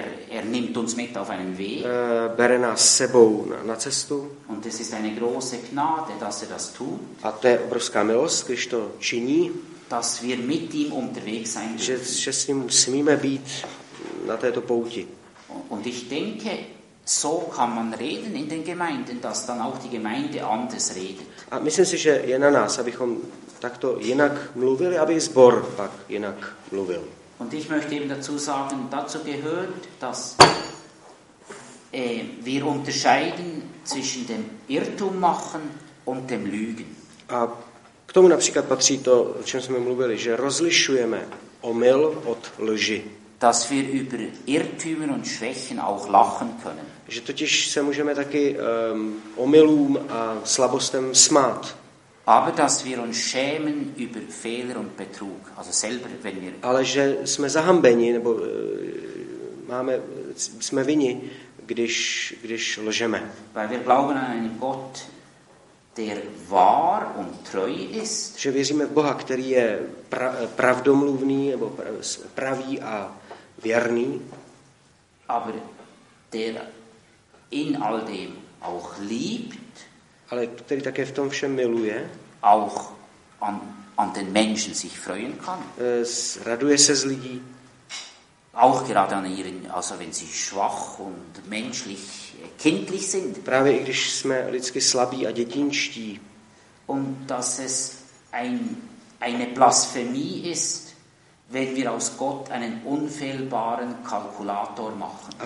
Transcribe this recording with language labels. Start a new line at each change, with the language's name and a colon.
German: Er nimmt uns mit auf einen Weg.
Czech: Bere nás sebou na cestu.
German: Und es ist eine große Gnade, dass er das tut.
Czech: A to je obrovská milost, když to činí.
German: Dass wir mit ihm unterwegs sein dürfen.
Czech: Že s ním smíme být na této pouti.
German: Und ich denke, so kann man reden in den Gemeinden, dass dann auch die Gemeinde anders redet.
Czech: A myslím si, že je na nás, abychom takto jinak mluvili, aby sbor pak jinak mluvil.
German: Und ich möchte eben dazu sagen, dazu gehört, dass wir unterscheiden zwischen dem Irrtum machen und dem Lügen.
Czech: A k tomu například patří to, o čem jsme mluvili, že rozlišujeme omyl od lži.
German: Dass wir über Irrtümer und Schwächen auch lachen können.
Czech: Že totiž se můžeme taky omylům a slabostem smát.
German: Aber dass wir uns schämen über Fehler und Betrug, also selber wenn wir.
Czech: Ale že jsme zahambeni nebo máme jsme vinni, když lžeme.
German: Weil wir glauben an einen Gott, der wahr und treu ist.
Czech: Že věříme v Boha, který je pravdomluvný nebo pravý a věrný.
German: Aber der in all dem auch liebt.
Czech: Ale který také v tom všem miluje.
German: Auch an den Menschen sich freuen kann.
Czech: Raduje se z lidí.
German: Auch gerade an ihren, also wenn sie schwach und menschlich kindlich sind.
Czech: Právě i když jsme lidsky slabí a dětinští.
German: Und dass es eine Blasphemie ist, wenn wir aus Gott einen unfehlbaren Kalkulator machen.